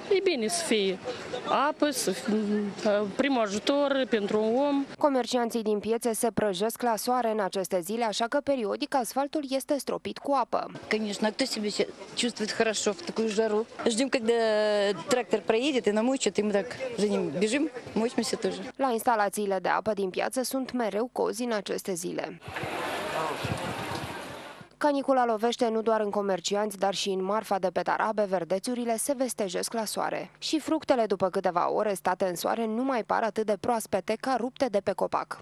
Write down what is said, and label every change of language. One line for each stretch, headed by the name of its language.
Romanian: И bine să fie apă, să fie primul ajutor pentru om. Comercianții din piețe se prăjesc la soare în aceste zile, așa că periodic asfaltul este stropit cu apă.
Russian: Конечно, кто себе чувствует хорошо в такую жару? Ждём, когда трактор проедет и намочит, и мы так женим, бежим, мочимся тоже.
Romanian: La instalațiile de apă din piață sunt mereu cozi în aceste zile. Canicula lovește nu doar în comercianți, dar și în marfa de pe tarabe, verdețurile se vestejesc la soare. Și fructele, după câteva ore state în soare, nu mai par atât de proaspete ca rupte de pe copac.